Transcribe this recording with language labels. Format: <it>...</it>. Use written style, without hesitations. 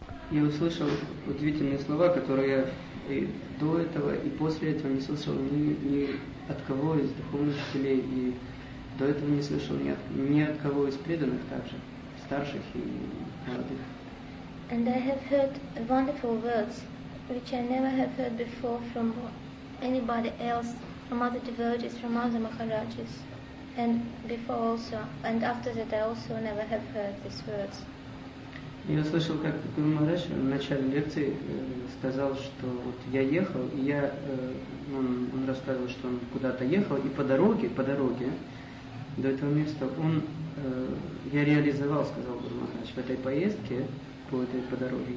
<ru>Я услышал удивительные слова, которые я и до этого, и после этого не слышал ни от кого из духовных учителей, и до этого не слышал ни от кого из преданных также, старших и молодых.</ru> <en>And I have heard wonderful words, which I never have heard before from anybody else, from other devotees, from other Maharajas, and before also, and after that I also never have heard these words.</en> <ru>Я слышал, как Гуру Махарадж в начале лекции сказал, что вот я ехал, и я, он рассказывал, что он куда-то ехал, и по дороге до этого места он, я реализовал, сказал Гуру Махарадж, в этой поездке, по дороге.</ru>